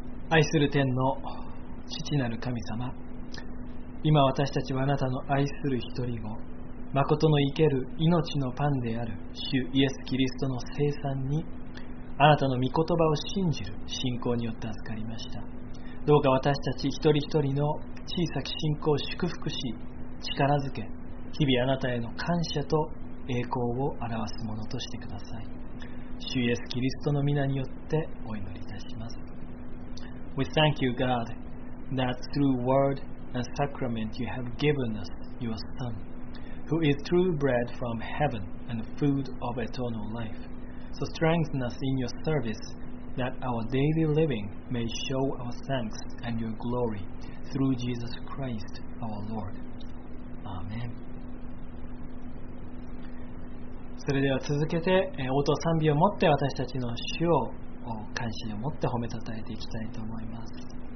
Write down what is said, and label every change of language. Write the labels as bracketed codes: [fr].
[ja] 愛する天の父なる神様、今私たちはあなたの愛する一人を、誠の生ける命のパンである主イエス・キリストの聖餐に、あなたの御言葉を信じる信仰によって預かりました。どうか私たち一人一人の小さき信仰を祝福し、力づけ、日々あなたへの感謝と栄光を表すものとしてください。主イエス・キリストの御名によってお祈りいたします。 [en] We thank you, God, that through word and sacrament you have given us your Son, who is true bread from heaven and food of eternal life. So strengthen us in your service, that our daily living may show our thanks and your glory through Jesus Christ, our Lord. Amen. [ja] それでは続けて応答賛美を持って私たちの主を感謝を持って褒めたたえていきたいと思います。